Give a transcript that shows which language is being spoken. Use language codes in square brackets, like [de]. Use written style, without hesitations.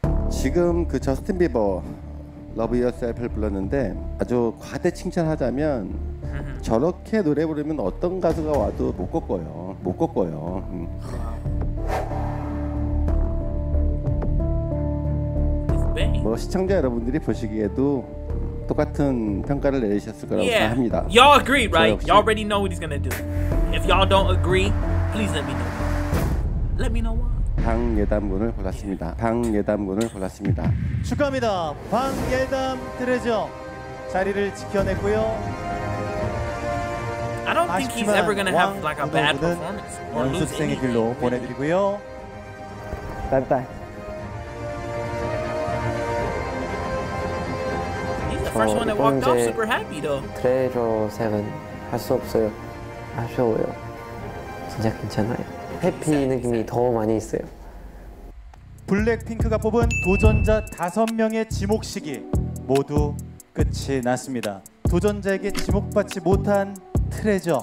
[ko] 지금 그 저스틴 비버 러브 유어셀프를 불렀는데 아주 과대 칭찬하자면 저렇게 노래 부르면 어떤 가수가 와도 못 꺾어요. 못 꺾어요. 뭐 시청자 여러분들이 보시기에도 똑같은 평가를 내리셨을 거라고 생각합니다. [en] Yeah. Y'all agree, right? Y'all already know what he's gonna do. If y'all don't agree, please let me know. Let me know why. [ko] 방예담군을 골랐습니다. 방예담군을 골랐습니다. 축하합니다. 방예담 트레저 자리를 지켜냈고요. [en] I don't think he's ever gonna have like a bad performance. [ko] 연습생의 길로 보내드리고요. [en] Bye bye. He's the first one that walked off super happy though. [ko] 트레저 세븐 할 수 없어요. 아쉬워요. 진짜 괜찮아요. 해피 느낌이 더 많이 있어요. 블랙핑크가 뽑은 도전자 5명의 지목식이 모두 끝이 났습니다. 도전자에게 지목받지 못한 트레저